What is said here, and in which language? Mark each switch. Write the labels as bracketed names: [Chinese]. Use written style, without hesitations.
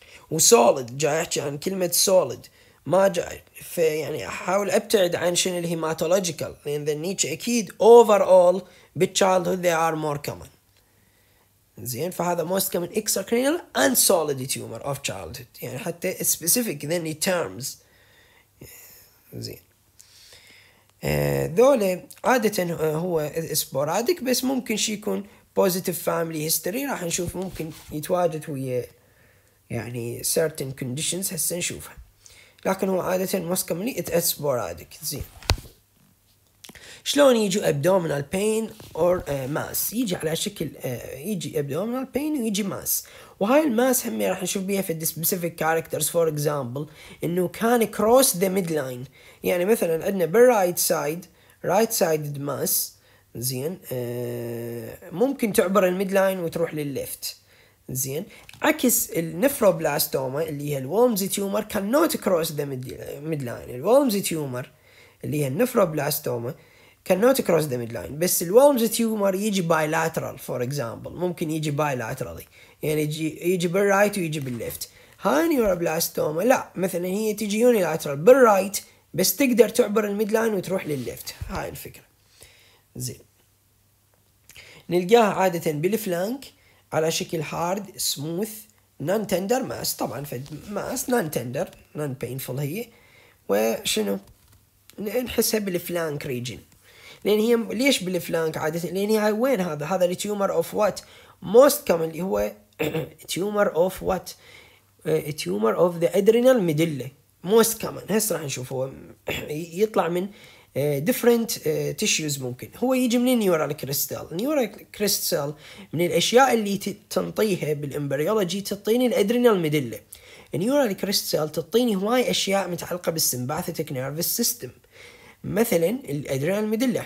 [Arabic] وسوليد جاي احكي عن كلمه سوليد ما جاي، فيعني احاول ابتعد عن شنو الهيماتولوجيكال، لان ذا نيتش اكيد اوفر اول بالتشايلدهود ذي ار مور كومن زين. فهذا [English] most common extracranial and solid tumor of childhood، [Arabic] يعني حتى [English] specific then the terms زين. [Arabic] ذولي عادة هو سبورادك، بس ممكن شي يكون [English] positive family history. [Arabic] راح نشوف ممكن يتواجد ويا يعني [English] certain conditions، [Arabic] هسه نشوفها. لكن هو عادة مسكملي سبورادك. زين، شلون يجي [English] abdominal pain or mass؟ [Arabic] يجي على شكل يجي [English] abdominal pain [Arabic] ويجي mass، وهاي الماس هم راح نشوف بيها في [English] the specific characters. for example [Arabic] انه كان [English] cross the midline، [Arabic] يعني مثلا عندنا [English] بالright side right sided mass. [Arabic] زين، ممكن تعبر الميدلاين وتروح للليفت. زين، عكس النفروبلاستوما اللي هي الوولمزي تيومر كان نوت كروس ذا ميدلاين. الوولمزي تيومر اللي هي النفروبلاستوما كان نوت كروس ذا ميدلاين، بس الوولمزي تيومر يجي باي لاترال فور اكزامبل، ممكن يجي باي لاترالي، يعني يجي بالرايت ويجي بالليفت. هاي النيوروبلاستوما لا، مثلا هي تجي يوني لاترال بالرايت، بس تقدر تعبر الميدلاين وتروح للليفت. هاي الفكره. زين، نلقاها عادة بالفلانك على شكل [English] hard smooth non tender mass. [Arabic] طبعا في [English] mass non tender non painful [Arabic] هي، وشنو نحسها بالفلانك [English] region، [Arabic] لأن هي ليش بالفلانك عادة؟ لأن هي وين هذا؟ هذا [English] the tumor of what most commonly هو tumor of what tumor of the adrenal medulla most common. [Arabic] هسه راح نشوف هو يطلع من different tissues. ممكن هو يجي من النيورال كريستال. النيورال كريستال من الأشياء اللي تنطيها بالإمبريولوجي تعطيني الأدرينال ميدلا. النيورال كريستال تعطيني هواي أشياء متعلقة بالسمباثيتك نيرفس سيستم، مثلا الأدرينال ميدلا.